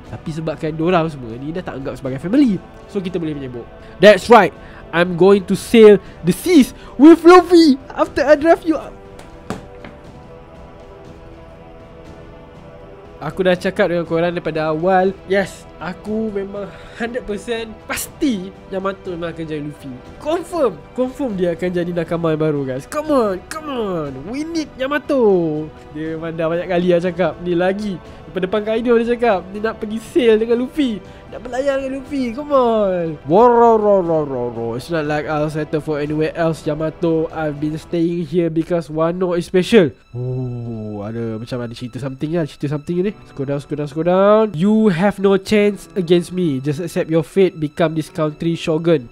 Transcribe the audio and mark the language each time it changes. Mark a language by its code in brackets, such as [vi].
[ms] Tapi sebabkan diorang semua ni dah tak anggap sebagai family, so kita boleh menyibuk. [en] That's right, I'm going to sail the seas with Luffy after I draft you up. [ms] Aku dah cakap dengan korang daripada awal, yes, aku memang 100% pasti Yamato memang akan jadi Luffy. Confirm, confirm dia akan jadi nakama yang baru guys. [en] Come on, come on, we need Yamato. [ms] Dia memang dah banyak kali dah cakap ni lagi. Depan depan Kaido dia cakap dia nak pergi sail dengan Luffy, nak berlayar dengan Luffy. [en] Come on. Warororororo, it's not like I'll settle for anywhere else Yamato. I've been staying here because Wano is special. [ms] Ada macam ada cerita something lah, cerita something ni. [en] Scroll down, scroll down, scroll down. You have no chance against me, just accept your fate, become this country shogun.